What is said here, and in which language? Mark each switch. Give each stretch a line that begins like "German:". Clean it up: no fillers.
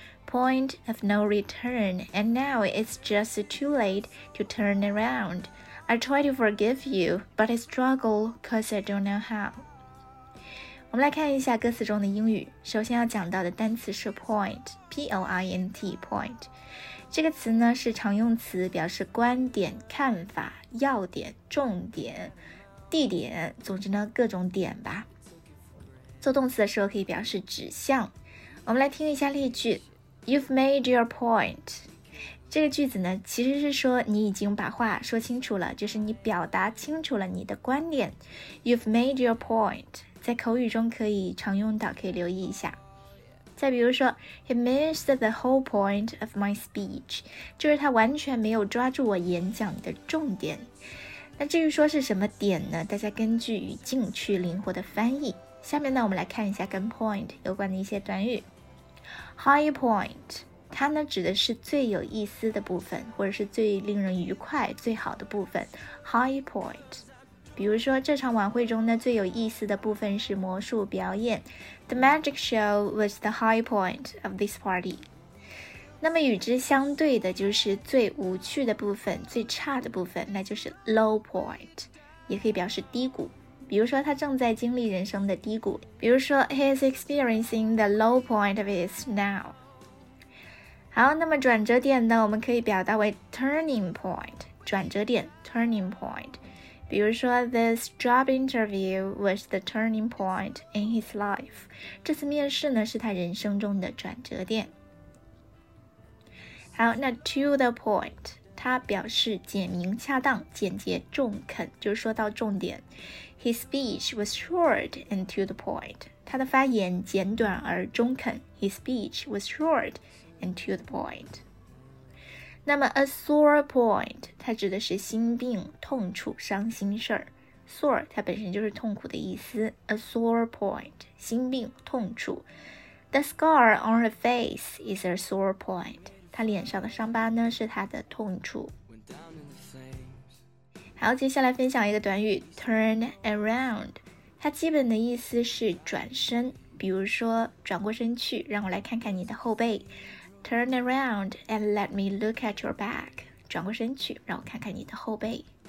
English: Point of no return, and now it's just too late to turn around. I try to forgive you, but I struggle 'cause I don't know how.
Chinese: 我们来看一下歌词中的英语。首先要讲到的单词是 point, P-O-I-N-T, point。这个词呢是常用词，表示观点、看法、要点、重点、地点，总之呢各种点吧。做动词的时候可以表示指向。我们来听一下例句。
English: You've made your point.
Chinese: 这个句子呢其实是说你已经把话说清楚了，就是你表达清楚了你的观点。
English: You've made your point.
Chinese: 在口语中可以常用到，可以留意一下。再比如说
English: He missed the whole point of my speech.
Chinese: 就是他完全没有抓住我演讲的重点。那至于说是什么点呢，大家根据语境去灵活的翻译。下面呢我们来看一下跟 point 有关的一些短语。High point, 它呢指的是最有意思的部分，或者是最令人愉快、最好的部分。 High point, 比如说这场晚会中呢最有意思的部分是魔术表演。
English: The magic show was the high point of this party.
Chinese: 那么与之相对的就是最无趣的部分、最差的部分，那就是 low point, 也可以表示低谷。比如说他正在经历人生的低谷，比如说
English: He is experiencing the low point of his now.
Chinese: 好，那么转折点呢我们可以表达为 turning point, 转折点 turning point. 比如说
English: This job interview was the turning point in his life.
Chinese: 这次面试呢是他人生中的转折点。好，那 to the point, 它表示简明恰当、简洁中肯，就是说到重点。
English: His speech was short and to the point.
Chinese: 他的发言简短而中肯。
English: His speech was short and to the point.
Chinese: 那么 a sore point, 它指的是心病、痛处、伤心事儿。 Sore, 它本身就是痛苦的意思。A sore point, 心病、痛处。
English: The scar on her face is a sore point.
Chinese: 她脸上的伤疤呢是她的痛处。好，接下来分享一个短语 turn around, 它基本的意思是转身，比如说转过身去让我来看看你的后背。
English: turn around and let me look at your back,
Chinese: 转过身去让我看看你的后背。